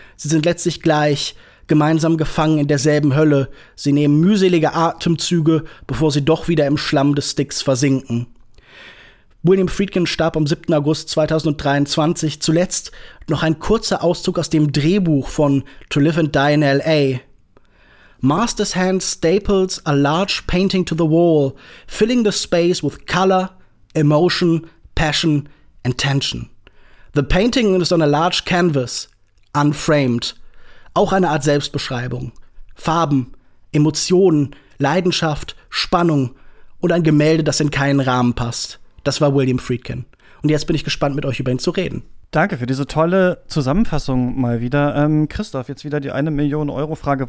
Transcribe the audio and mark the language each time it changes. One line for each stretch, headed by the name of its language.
German: Sie sind letztlich gleich. Gemeinsam gefangen in derselben Hölle. Sie nehmen mühselige Atemzüge, bevor sie doch wieder im Schlamm des Sticks versinken. William Friedkin starb am 7. August 2023. Zuletzt noch ein kurzer Auszug aus dem Drehbuch von To Live and Die in L.A.
English: Master's hand staples a large painting to the wall, filling the space with color, emotion, passion and tension. The painting is on a large canvas, unframed.
German: Auch eine Art Selbstbeschreibung. Farben, Emotionen, Leidenschaft, Spannung und ein Gemälde, das in keinen Rahmen passt. Das war William Friedkin. Und jetzt bin ich gespannt, mit euch über ihn zu reden. Danke für diese tolle Zusammenfassung mal wieder. Christoph, jetzt wieder die 1-Million-Euro-Frage.